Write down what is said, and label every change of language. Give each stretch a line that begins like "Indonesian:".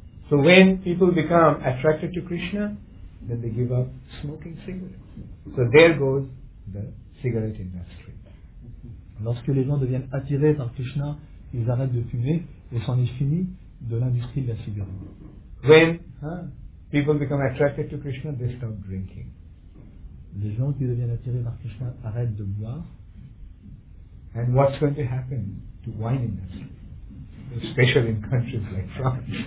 English: So when people become attracted to Krishna, then they give up smoking cigarettes. So there goes the cigarette industry.
French: Lorsque les gens deviennent attirés par Krishna, ils arrêtent de fumer et c'en est fini de l'industrie de la cigarette.
English: When people become attracted to Krishna, they stop drinking.
French: Les gens qui deviennent attirés par Krishna arrêtent de boire.
English: And what's going to happen to wine industry, especially in countries like France?